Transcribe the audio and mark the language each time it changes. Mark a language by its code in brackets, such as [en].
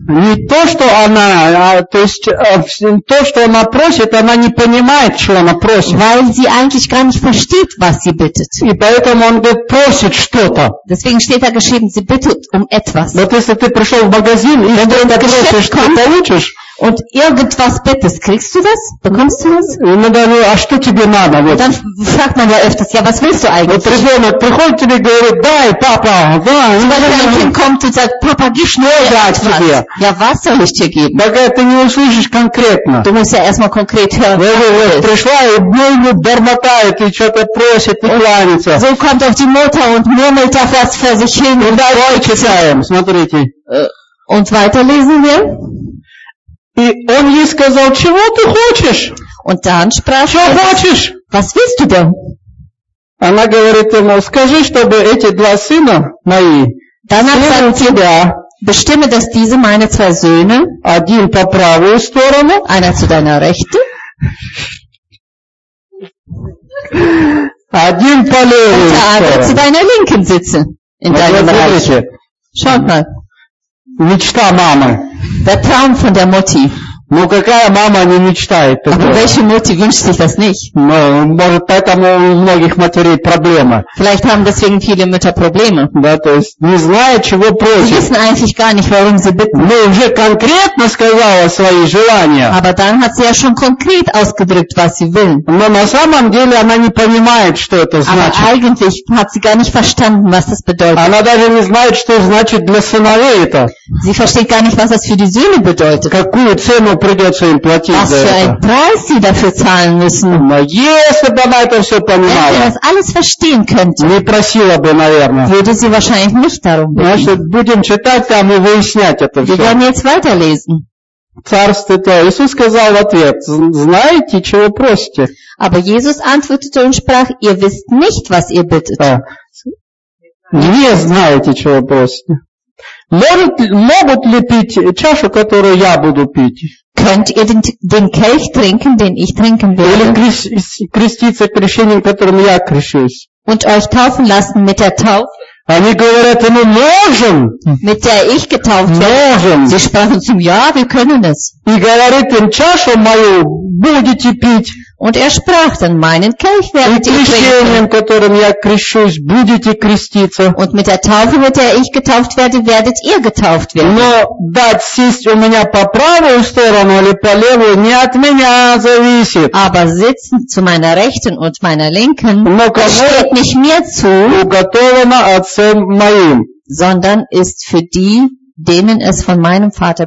[ru] Не то, что она, то есть то, что она просит, она не понимает, что она просит. [de] Weil sie eigentlich gar nicht versteht, was sie bittet. [ru] И поэтому он говорит, просит что-то. [de] Deswegen steht da geschrieben, sie bittet um etwas. [ru] Вот если ты пришел в магазин и [de] wenn [ru] что-то просишь, [de] kommt, [ru] что получишь? [de] Und irgendwas bittest, kriegst du das? Bekommst du das? Und dann, [ru] а что тебе надо? Вот. [de] Dann fragt man ja öfters, ja, was willst du eigentlich? [ru] Вот ребенок приходит тебе, говорит, дай, папа, дай. [de] Und dann ein Kind kommt und sagt, Papa, gib schnell etwas. [ru] Тебе. [de] Ja, was soll ich dir geben? [ru] Так ты не услышишь конкретно. [de] Du musst ja erstmal konkret hören. [ru] Вот пришла и мне бормотает, и что-то просит, и кланяется. [de] So kommt auf die Mutter und murmelt auf das für sich hin. [ru] Und дай, ой, читаем, смотрите. [de] Und weiterlesen wir. [ru] И он ей сказал, чего ты хочешь? [de] Und dann sprach [ru] er, хочешь? [de] Was willst du denn? [ru] Она говорит ему, скажи, чтобы эти два сына мои, сыну тебя, [de] bestimme, dass diese meine zwei Söhne, [ru] один по правую сторону, [de] einer zu deiner rechten, [ru] один по левую сторону, [de] zu deiner linken sitzen, in deinem Bereich. Schaut mal. [ru] Мечта мамы. [de] Der Traum von der Mutti. [ru] Ну какая мама не мечтает? [de] Aber welche Mutti wünscht sich das nicht? [ru] Может, поэтому у многих матерей проблема. [de] Vielleicht haben deswegen viele Mütter Probleme. [ru] Да, то есть не знают, чего просят. [de] Sie wissen eigentlich gar nicht, warum sie bitten. [ru] Но уже конкретно сказала свои желания. [de] Aber dann hat sie ja schon konkret ausgedrückt, was sie will. [ru] Но на самом деле она не понимает, что это значит. [de] Aber eigentlich hat sie gar nicht verstanden, was das bedeutet. [ru] Она даже не знает, что значит для сыновей это. [de] Sie versteht gar nicht, was das für die Söhne bedeutet. [ru] Какую цену придется им платить [de] was [ru] за это. [de] Preis sie dafür zahlen müssen. [ru] Но если бы она это все понимала, [de] wenn sie das alles verstehen könnte, [ru] не просила бы, наверное. [de] Würde sie wahrscheinlich nicht darum bitten. [ru] Значит, будем читать там и выяснять это все. [de] Wir werden jetzt weiterlesen. [ru] Царство то. Иисус сказал в ответ, знаете, чего просите? [de] Aber Jesus antwortete und sprach, ihr wisst nicht, was ihr bittet. [ru] Не знаете, чего просите. Могут ли пить чашу, которую я буду пить? [de] Könnt ihr den Kelch trinken, den ich trinken werde? [ru] Или креститься крещением, которым я крещусь? [de] Und euch taufen lassen mit der Taufe? [ru] Они говорят, мы можем. [de] Mit der ich getauft werde. Sie sprachen zum Ja, wir können es. [ru] И говорит им, чашу мою будете пить. [de] Und er sprach dann, meinen Kelch werde ich trinken. Und mit der Taufe, mit der ich getauft werde, werdet ihr getauft werden. [ru] Но дать сесть у меня по правую сторону или по левую не от меня зависит. [de] Aber sitzen zu meiner rechten und meiner linken steht nicht mir zu, [ru] уготовано отцем моим, [de] sondern ist für die, denen es von meinem Vater